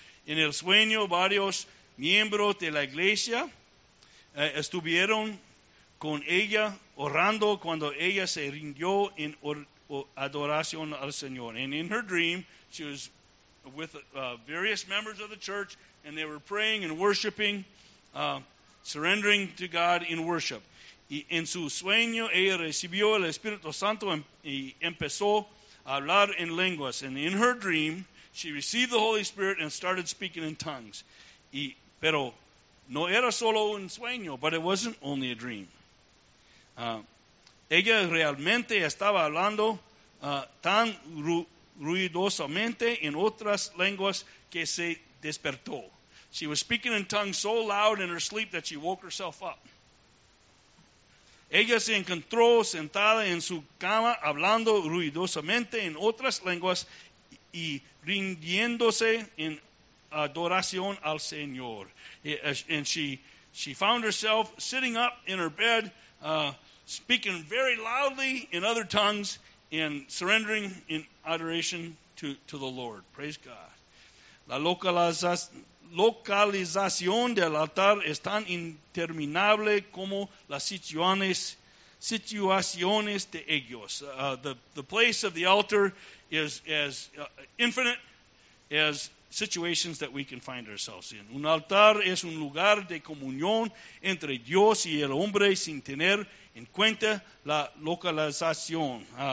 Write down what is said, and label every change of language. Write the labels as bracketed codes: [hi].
[es] En el sueño, varios miembros de la iglesia estuvieron con ella orando cuando ella se rindió en adoración al Señor. [en] And in her dream, she was with various members of the church, and they were praying and worshiping, surrendering to God in worship. [es] Y en su sueño, ella recibió el Espíritu Santo y empezó a hablar en lenguas. [en] And in her dream, she received the Holy Spirit and started speaking in tongues. [es] Y, pero no era solo un sueño, [en] but it wasn't only a dream. [es] Ella realmente estaba hablando tan ruidosamente en otras lenguas que se despertó. [en] She was speaking in tongues so loud in her sleep that she woke herself up. [es] Ella se encontró sentada en su cama hablando ruidosamente en otras lenguas y rindiéndose en adoración al Señor. [en] And she found herself sitting up in her bed, speaking very loudly in other tongues and surrendering in adoration to the Lord. Praise God. [es] La localización del altar es tan interminable como las situaciones de ellos. [en] The place of the altar is as infinite as situations that we can find ourselves in. [es] Un altar es un lugar de comunión entre Dios y el hombre sin tener en cuenta la localización.